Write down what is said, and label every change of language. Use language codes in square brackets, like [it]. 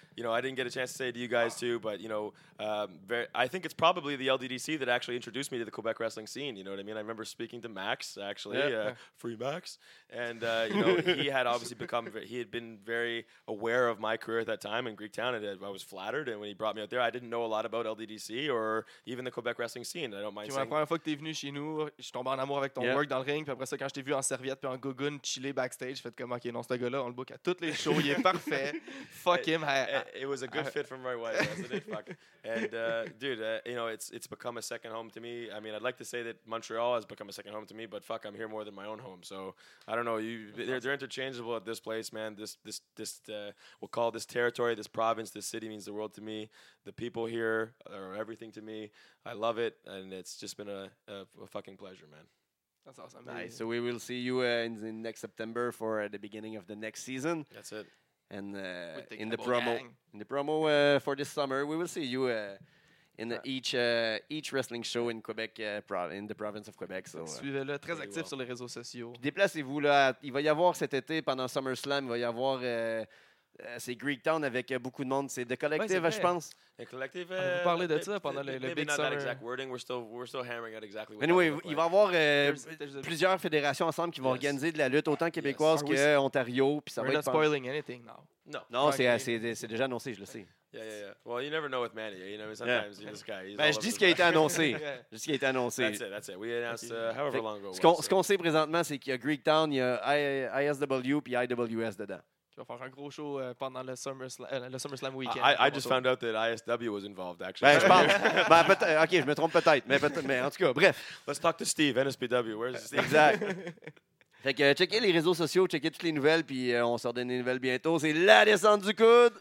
[en] You know, I didn't get a chance to say it to you guys too, but you know, I think it's probably the LDDC that actually introduced me to the Quebec wrestling scene. You know what I mean? I remember speaking to Max actually, Free Max, and you know, he had obviously become he had been very aware of my career at that time in Greektown, and I was flattered. And when he brought me out there, I didn't know a lot about LDDC or even the Quebec wrestling scene. I don't mind. [fr] La première fois que t'es venu chez nous, je suis tombé en amour avec ton work dans le ring. Puis après ça, quand je t'ai vu en serviette puis en gogoon chillé backstage, fait comme ok, non, ce gars-là, on le book à toutes les shows, il est parfait. [en] Fuck him. It was a good fit for my wife, wasn't it? Fuck. And, dude, you know, it's become a second home to me. I mean, I'd like to say that Montreal has become a second home to me, but fuck, I'm here more than my own home. So, I don't know. They're interchangeable at this place, man. We'll call this territory, this province, this city means the world to me. The people here are everything to me. I love it, and it's just been a fucking pleasure, man. That's awesome. Nice. Yeah. So, we will see you in next September for the beginning of the next season. That's it. And in the promo for this summer, we will see you each wrestling show in Quebec, in the province of Quebec. So, [fr] suivez-le, très actif sur les réseaux sociaux. Puis déplacez-vous là. Il va y avoir cet été pendant SummerSlam, il va y avoir c'est Greektown avec beaucoup de monde. C'est The Collective, je pense. [en] The Collective. [fr] On peut parler de ça pendant le big summer. [en] Maybe not that exact wording. We're still hammering out exactly. What [fr] anyway, il va y avoir plusieurs fédérations ensemble qui vont organiser de la lutte autant québécoise que Ontario. Puis ça va être. [en] Spoiling anything now. No, [fr] c'est déjà annoncé, je le sais. [en] Yeah. Well, you never know with Manny. You know, sometimes this guy. [fr] Ben, je dis ce qui a été annoncé. Je dis ce qui a été annoncé. [en] That's it. We announced however long ago. [fr] Ce qu'on sait présentement, c'est qu'il y a Greektown, il y a ISW puis IWS dedans. Il va faire un gros show pendant le SummerSlam weekend. [en] I just found out that ISW was involved, actually. [fr] Ben, je pense. Ben, OK, je me trompe peut-être, mais en tout cas, bref. [en] Let's talk to Steve, NSPW. Where's Steve? [fr] Exact. Fait que checkez les réseaux sociaux, checkez toutes les nouvelles, puis on sort des nouvelles bientôt. C'est la descente du coude,